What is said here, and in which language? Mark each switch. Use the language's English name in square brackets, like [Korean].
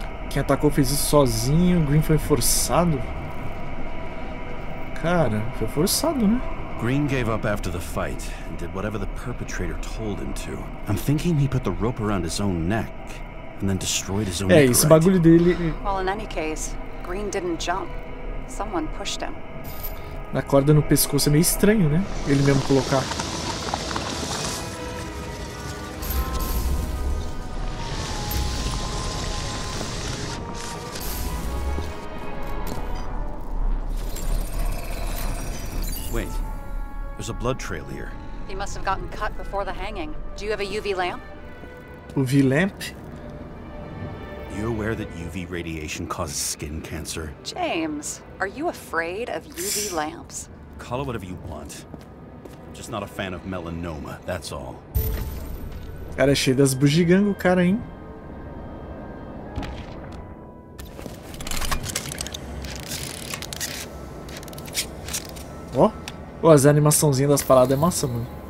[Portuguese] Quem atacou fez isso sozinho, Green foi forçado? Cara, foi forçado, né? [English] Green gave up after the fight and did whatever the perpetrator told him to. I'm thinking he put the rope around his own neck and then destroyed his own [Portuguese] Anchorite. Esse bagulho dele. [English] Well, in any case, Green didn't jump. Someone pushed him. [Portuguese] Na corda no pescoço é meio estranho, né? Ele mesmo colocar. [English] There's a blood trail here. He must have gotten cut before the hanging. Do you have a UV lamp? UV lamp? You aware that UV radiation causes skin cancer? James, are you afraid of UV lamps? Call it whatever you want. I'm just not a fan of melanoma, that's all. [Portuguese] Cara, é cheio das bugigangas, o cara, hein? Ó. Oh. Pô, as animaçãozinhas das paradas é massa, mano.